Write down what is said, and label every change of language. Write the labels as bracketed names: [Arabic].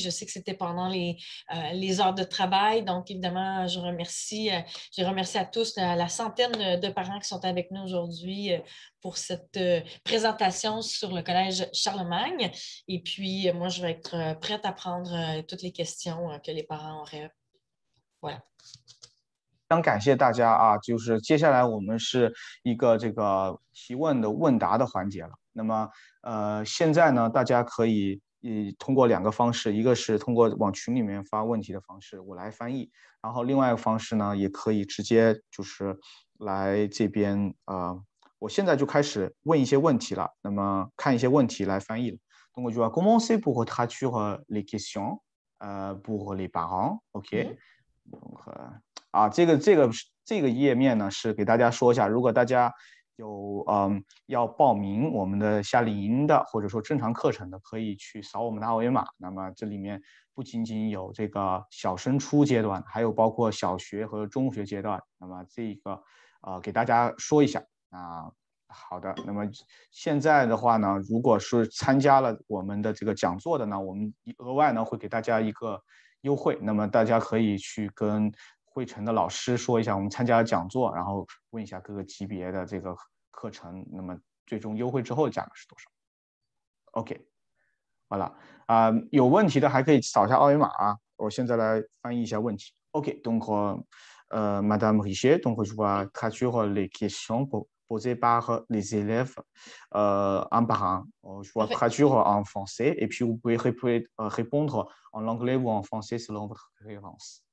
[French] Je sais que c'était pendant les heures de travail. Donc, évidemment, je remercie à tous, à la centaine de parents qui sont avec nous aujourd'hui pour cette présentation sur le Collège Charlemagne. Et puis, moi, je vais être prête à prendre toutes les questions que les parents auraient. Voilà. [Chinese] 非常感谢大家啊，就是接下来我们是一个这个提问的问答的环节了。那么现在呢，大家可以通过两个方式，一个是通过往群里面发问题的方式，我来翻译，然后另外一个方式呢，也可以直接就是来这边我现在就开始问一些问题了，那么看一些问题来翻译了。 [French] Donc je vais commencer pour traduire les questions pour les parents, OK? [Chinese] Donc, 啊，这个页面呢，是给大家说一下，如果大家有要报名我们的夏令营的，或者说正常课程的，可以去扫我们的二维码。那么这里面不仅仅有这个小升初阶段，还有包括小学和中学阶段。那么这个给大家说一下啊。好的，那么现在的话呢，如果是参加了我们的这个讲座的呢，我们额外呢会给大家一个优惠。那么大家可以去跟慧晨的老师说一下，我们参加了讲座，然后问一下各个级别的这个课程，那么最终优惠之后的价格是多少 ？OK， 好了啊，有问题的还可以扫一下二维码啊。我现在来翻译一下问题。 [French] OK， donc Madame Richer, donc je vais traduire les questions posées par les élèves un par un. Je vais traduire en français et puis vous pouvez répondre en anglais ou en français selon votre préférence.